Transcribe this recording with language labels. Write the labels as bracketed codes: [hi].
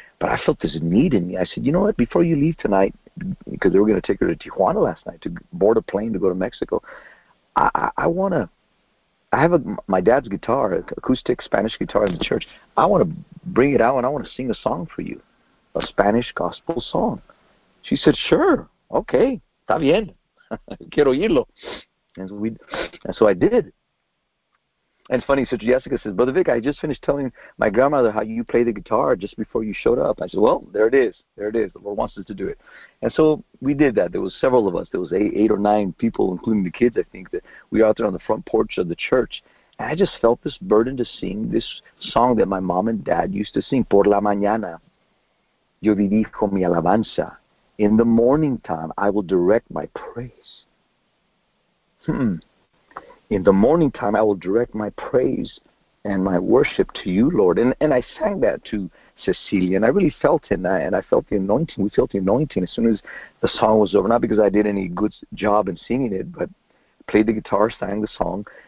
[en] But I felt this need in me. I said, you know what? Before you leave tonight, because they were going to take her to Tijuana last night to board a plane to go to Mexico, I have my dad's guitar, acoustic Spanish guitar in the church. I want to bring it out and I want to sing a song for you, a Spanish gospel song. She said, sure, okay, [es] está bien, quiero oírlo. [en] And so I did. And funny, Sister Jessica says, Brother Vic, I just finished telling my grandmother how you play the guitar just before you showed up. I said, well, there it is. There it is. The Lord wants us to do it. And so we did that. There was several of us. There was eight or nine people, including the kids, I think, that we were out there on the front porch of the church. And I just felt this burden to sing this song that my mom and dad used to sing. [es] Por la mañana, yo dirijo mi alabanza. [en] In the morning time, I will direct my praise. In the morning time, I will direct my praise and my worship to you, Lord. And I sang that to Cecilia, and I really felt it. And I felt the anointing. We felt the anointing as soon as the song was over. Not because I did any good job in singing it, but played the guitar, sang the song.